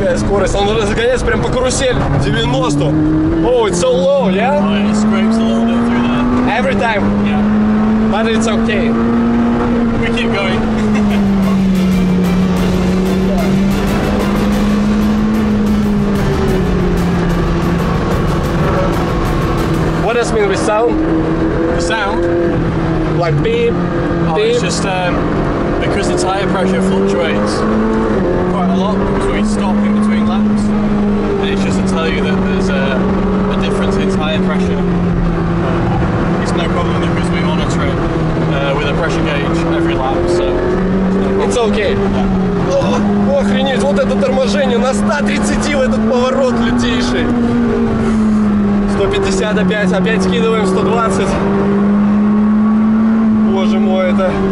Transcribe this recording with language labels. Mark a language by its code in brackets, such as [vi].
[ru] Он разгоняется прям по карусель. [en] 90. Oh, it's so low, yeah? Oh, it scrapes a little bit through there. Every time? Yeah. But it's okay. We keep going. What does it mean with sound? The sound? Like beep, oh, beep? It's just because the tire pressure fluctuates quite a lot because we stop in between laps, and it's just to tell you that there's a difference in tire pressure. It's no problem because we monitor it with a pressure gauge every lap, so it's okay. Yeah. [ru] Oh, охренеть, вот это торможение на 130 в этот поворот лютейший. 150 опять, опять скидываем 120. Боже мой, это...